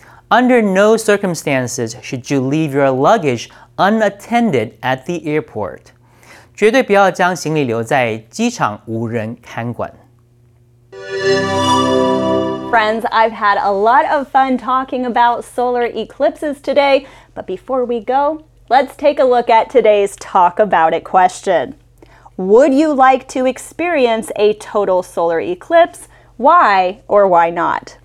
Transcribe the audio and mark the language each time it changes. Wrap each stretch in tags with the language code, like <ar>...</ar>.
<en>Under no circumstances should you leave your luggage unattended at the airport.</en> <zh>绝对不要将行李留在机场无人看管。</zh> <en>Friends, I've had a lot of fun talking about solar eclipses today, but before we go, let's take a look at today's Talk About It question. Would you like to experience a total solar eclipse? Why or why not?</en>